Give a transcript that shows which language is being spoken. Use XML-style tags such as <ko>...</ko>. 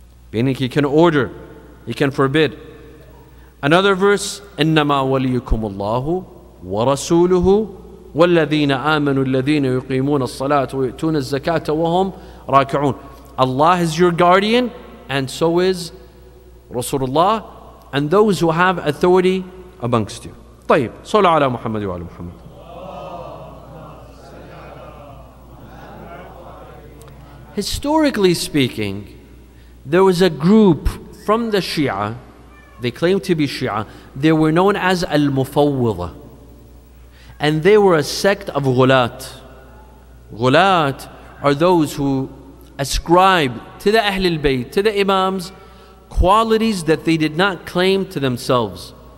<en>Meaning he can order, he can forbid. Another verse,</en> <ar>إِنَّمَا وَلِيُّكُمُ اللَّهُ وَرَسُولُهُ وَالَّذِينَ آمَنُوا الَّذِينَ يُقِيمُونَ الصَّلَاةَ وَيُؤْتُونَ الزَّكَاةَ وَهُمْ رَاكِعُونَ.</ar> <en>Allah is your guardian and so is Rasulullah and those who have authority amongst you.</en> <ar>طيب, صلى على محمد وعلى محمد.</ar> <en>Historically speaking, there was a group from the Shia, they claimed to be Shia, they were known as Al-Mufawwidha. And they were a sect of Ghulat. Ghulat are those who ascribe to the Ahlul Bayt, to the Imams, qualities that they did not claim to themselves.</en>